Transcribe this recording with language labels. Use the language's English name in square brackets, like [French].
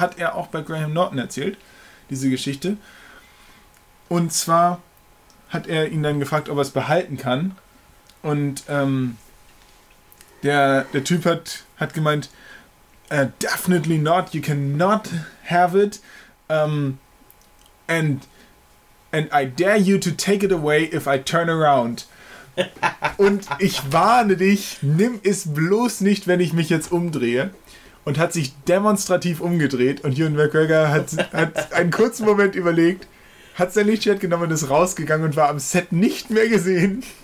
[German] Hat er auch bei Graham Norton erzählt, diese Geschichte. Und zwar hat er ihn dann gefragt, ob er es behalten kann. Und der Typ hat gemeint, [English] definitely not, you cannot have it. And I dare you to take it away if I turn around. [German] Und ich warne dich, nimm es bloß nicht, wenn ich mich jetzt umdrehe. Und hat sich demonstrativ umgedreht. Und Ewan McGregor hat einen kurzen Moment überlegt, hat sein Lichtschwert genommen und ist rausgegangen und war am Set nicht mehr gesehen.